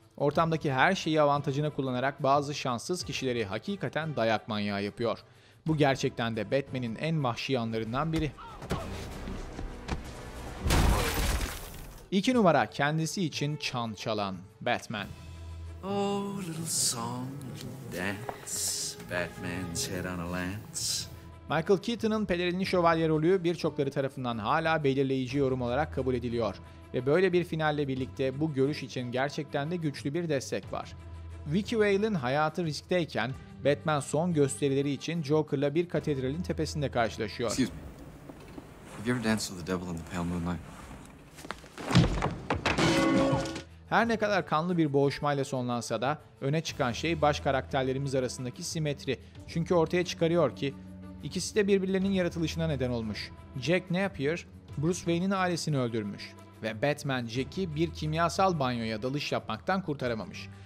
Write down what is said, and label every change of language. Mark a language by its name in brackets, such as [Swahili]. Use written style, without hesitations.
[Turkish] Ortamdaki her şeyi avantajına kullanarak bazı şanssız kişileri hakikaten dayak manyağı yapıyor. Bu gerçekten de Batman'in en vahşi yanlarından biri. 2 numara, kendisi için çan çalan Batman. [English] Oh, little song, little dance, Batman's head on a lance. [Turkish] Michael Keaton'ın pelerinli şövalye rolü birçokları tarafından hala belirleyici yorum olarak kabul ediliyor. Ve böyle bir finalle birlikte bu görüş için gerçekten de güçlü bir destek var. Vicki Vale'ın hayatı riskteyken Batman son gösterileri için Joker'la bir katedralin tepesinde karşılaşıyor. [English] Excuse me. Have you ever danced with the devil in the pale moonlight? [Turkish] Her ne kadar kanlı bir boğuşmayla sonlansa da öne çıkan şey baş karakterlerimiz arasındaki simetri. Çünkü ortaya çıkarıyor ki ikisi de birbirlerinin yaratılışına neden olmuş. Jack Napier, Bruce Wayne'in ailesini öldürmüş. Ve Batman Jack'i bir kimyasal banyoya dalış yapmaktan kurtaramamış.